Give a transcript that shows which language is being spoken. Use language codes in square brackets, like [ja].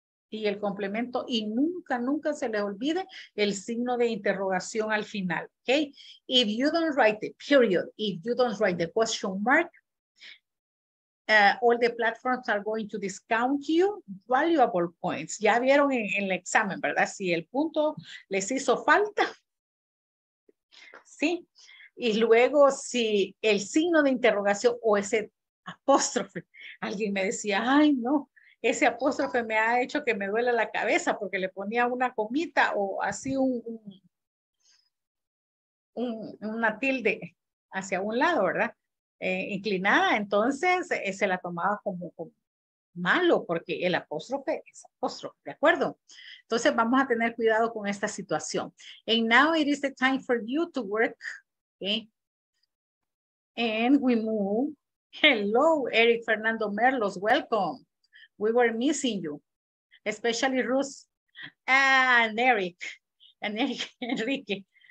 [es] Y el complemento, y nunca, nunca se le olvide el signo de interrogación al final, okay? [en] If you don't write the period, if you don't write the question mark, all the platforms are going to discount you valuable points. [es] Ya vieron en el examen, ¿verdad? Si el punto les hizo falta, ¿sí? Y luego, si el signo de interrogación o ese apóstrofe, alguien me decía, ay, no. Ese apóstrofe me ha hecho que me duela la cabeza porque le ponía una comita o así una tilde hacia un lado, ¿verdad? Inclinada, entonces se la tomaba como malo porque el apóstrofe es apóstrofe, ¿de acuerdo? Entonces vamos a tener cuidado con esta situación. [en] And now it is the time for you to work, okay? And we move. Hello, Eric Fernando Merlos, welcome. We were missing you, especially Ruth and Enrique.